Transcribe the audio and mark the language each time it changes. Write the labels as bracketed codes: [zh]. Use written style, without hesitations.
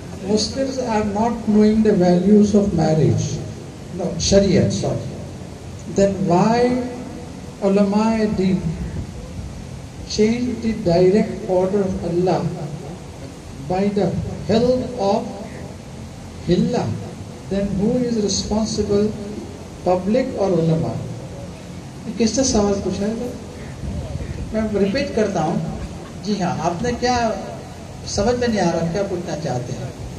[en] Muslims are not knowing the values of marriage, no, Sharia, sorry. Then why Ulama-e-Deen changed the direct order of Allah by the help of Hilla? Then who is responsible, public or Ulama? [hi] किस से सवाल पूछा है मैं repeat करता हूँ जी हाँ आपने क्या समझ में नहीं आ रहा क्या पूछना चाहते हैं